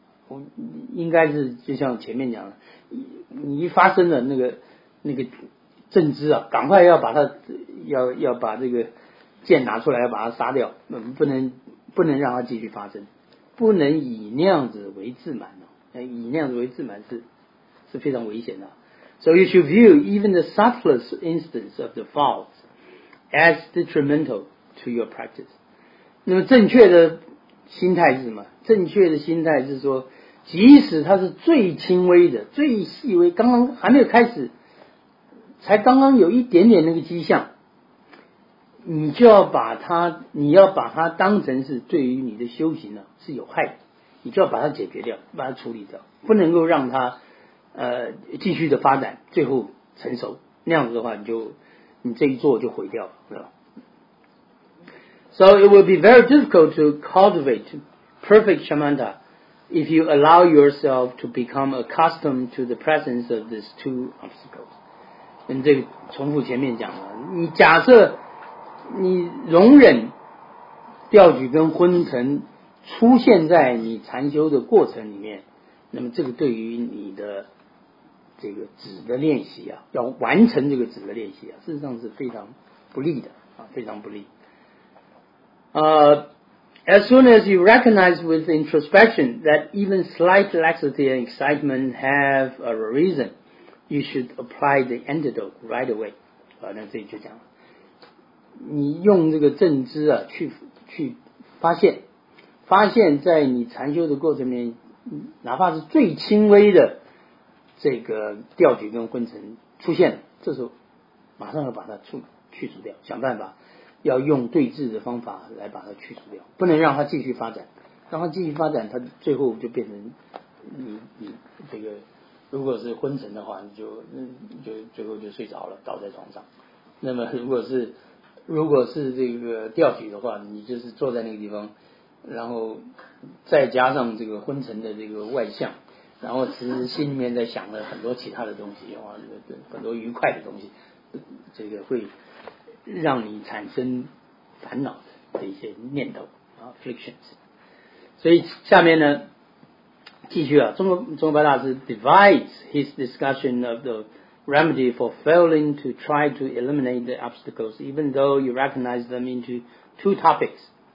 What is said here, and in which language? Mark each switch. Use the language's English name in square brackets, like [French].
[Chinese] 我应该是就像前面讲的，你一发生了那个正知啊，赶快要把这个剑拿出来，要把它杀掉，不能让它继续发生，不能以那样子为自满哦，以那样子为自满是非常危险的。 [English] So you should view even the subtlest instance of the fault as detrimental to your practice. [Chinese] 那么正确的心态是什么？正确的心态是说，即使它是最轻微的、最细微，刚刚还没有开始。才刚刚有一点点那个迹象，你要把它当成是对于你的修行呢是有害的，你就要把它解决掉，把它处理掉，不能够让它继续的发展，最后成熟，那样子的话你这一做就毁掉了，是吧？ [English] So it will be very difficult to cultivate perfect shamatha if you allow yourself to become accustomed to the presence of these two obstacles. [Chinese] 这个重复前面讲的，你假设你容忍吊举跟昏沉出现在你禅修的过程里面，那么这个对于你的这个止的练习啊，要完成这个止的练习啊，事实上是非常不利的啊，非常不利。 [English] As soon as you recognize with introspection that even slight laxity and excitement have a reason. You should apply the antidote right away. [Chinese] 那这里就讲了，你用这个正知啊，去发现在你禅修的过程里面，哪怕是最轻微的这个吊举跟昏沉出现，这时候马上要把它去除掉，想办法要用对治的方法来把它去除掉，不能让它继续发展，让它继续发展，它最后就变成你这个。如果是昏沉的话，就最后就睡着了，倒在床上。那么如果是这个吊举的话，你就是坐在那个地方，然后再加上这个昏沉的这个外向，然后其实心里面在想了很多其他的东西，很多愉快的东西，这个会让你产生烦恼的一些念头啊 ，afflictions。所以下面呢。继续啊，中国白大师 [English] divides his discussion of the remedy for failing to try to eliminate the obstacles, even though you recognize them into two topics.